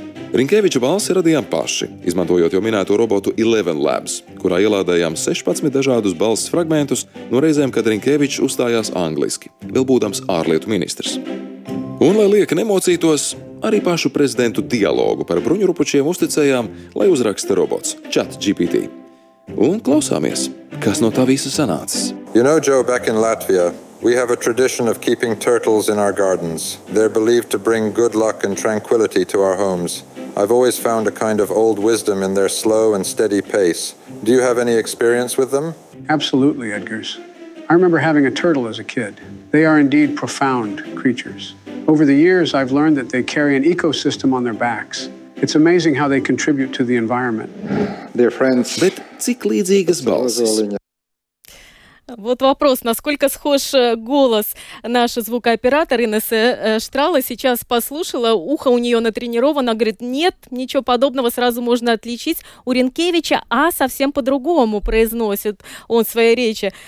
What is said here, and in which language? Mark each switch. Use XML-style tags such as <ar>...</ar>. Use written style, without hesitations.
<lv>Rinkeviča balsi radījām paši, izmantojot jau minēto robotu Eleven Labs, kurā ielādējām 16 dažādus balss fragmentus no reizēm, kad Rinkevičs uzstājās angliski, vēl būdams ārlietu ministrs. Un, lai lieka nemocītos, arī pašu prezidentu dialogu par bruņurupučiem uzticējām, lai uzraksta robots ChatGPT. Un klausāmies, kas no tā visa sanācis.</lv> <en>You know, Joe, back in Latvia, we have a tradition of keeping turtles in our gardens. They're believed to bring good luck and tranquility to our homes. I've always found a kind of old wisdom in their slow and steady pace. Do you have any experience with them? Absolutely, Edgars. I remember having a turtle as a kid. They are indeed profound creatures. Over the years, I've learned that they carry an ecosystem on their backs. It's amazing how they contribute to the environment. Their friends.</en> <lv>Bet cik līdzīgas balsis?</lv> <ru>Вот вопрос, насколько схож голос наша звукооператор Инесса Штрала сейчас послушала, ухо у нее натренировано, говорит, нет, ничего подобного, сразу можно отличить. У Ринкевича «а» совсем по-другому произносит он свои речи.</ru>